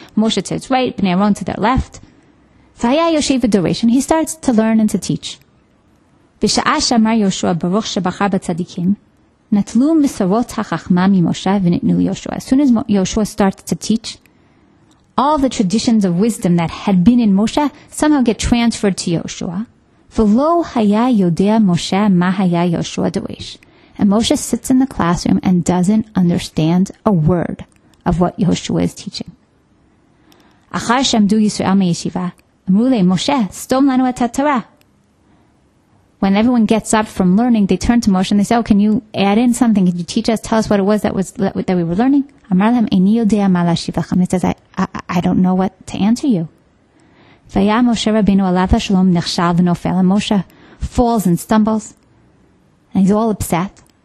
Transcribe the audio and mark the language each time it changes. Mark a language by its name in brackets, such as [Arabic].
[English] Moshe to his right, Bnei Aaron to their left. He starts to learn and to teach. [Hebrew] בשעה שאמר יהושע ברוך שבחר בצדיקים, נטלו מסורות החכמה ממשה ונתנו ליהושע. [English] As soon as Yehoshua starts to teach, all the traditions of wisdom that had been in Moshe somehow get transferred to Yehoshua. [Hebrew] ולא היה יודע משה מה היה יהושע דורש. [English] And Moshe sits in the classroom and doesn't understand a word of what Yehoshua is teaching. [Hebrew] אחר שעמדו ישראל מישיבה, אמרו לי, משה, סתום לנו את התורה. [English] When everyone gets up from learning, they turn to Moshe and they say, oh, can you add in something? Can you teach us? Tell us what it was that we were learning. [Hebrew] Amar lehem, eini yodea ma lashiv lachem. [English] He says, I don't know what to answer you. [Hebrew] Vaya Moshe Rabbeinu alav hashalom nechshal v'nofel. [English] And Moshe falls and stumbles. And he's all upset.